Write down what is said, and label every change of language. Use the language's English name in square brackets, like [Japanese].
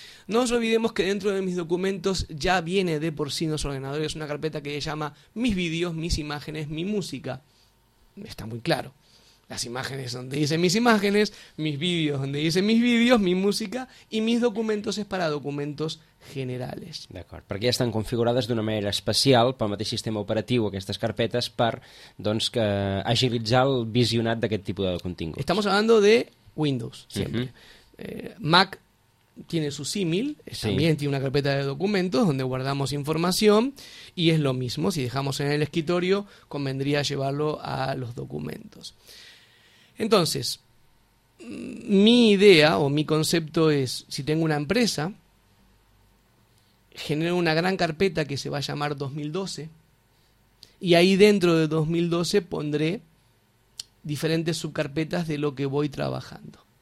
[Spanish] No nos olvidemos que dentro de mis documentos ya viene de por sí los ordenadores una carpeta que se llama mis vídeos, mis imágenes, mi música. Está muy claro. Las imágenes donde dicen mis imágenes, mis vídeos donde dicen mis vídeos, mi música y mis documentos es para documentos generales. [Catalan] D'acord, perquè ja estan configurades d'una manera especial pel mateix sistema operatiu, aquestes carpetes, per doncs, que agilitzar el visionat d'aquest tipus de contingut. [Spanish] Estamos hablando de Windows, siempre. Mac tiene su símil, también tiene una carpeta de documentos donde guardamos información y es lo mismo, si dejamos en el escritorio convendría llevarlo a los documentos. Entonces, mi idea o mi concepto es, si tengo una empresa, genero una gran carpeta que se va a llamar 2012 y ahí dentro de 2012 pondré diferentes subcarpetas de lo que voy trabajando.